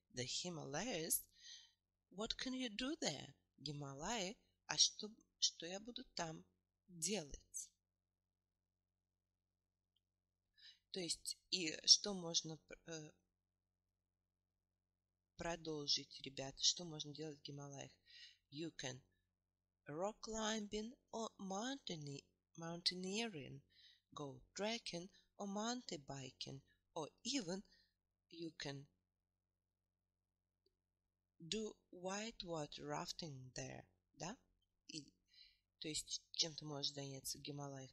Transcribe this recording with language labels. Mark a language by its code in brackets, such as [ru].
[en] The Himalayas? What can you do there? Гималаи? [ru] А что я буду там делать? То есть, и что можно продолжить, ребята? Что можно делать в Гималаях? [en] You can rock climbing or mountaineering, go trekking or mountain biking, or even you can do whitewater rafting there, да? [ru] И, то есть, чем ты можешь заняться в Гималаях?